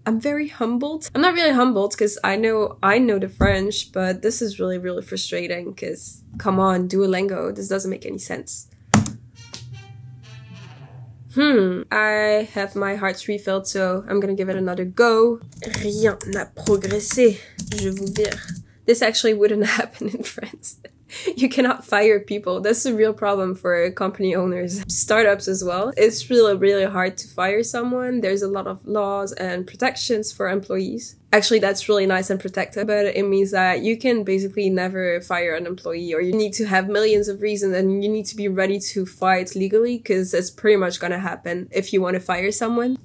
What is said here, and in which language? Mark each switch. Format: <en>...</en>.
<en>I'm very humbled. I'm not really humbled because I know the French, but this is really, really frustrating because come on, Duolingo, this doesn't make any sense. I have my hearts refilled, so I'm gonna give it another go.</en> <fr>Rien n'a progressé, je vous dire.</fr> <en>This actually wouldn't happen in France. You cannot fire people. That's a real problem for company owners. Startups as well. It's really, really hard to fire someone. There's a lot of laws and protections for employees. Actually, that's really nice and protective, but it means that you can basically never fire an employee, or you need to have millions of reasons and you need to be ready to fight legally, because it's pretty much gonna happen if you want to fire someone.</en>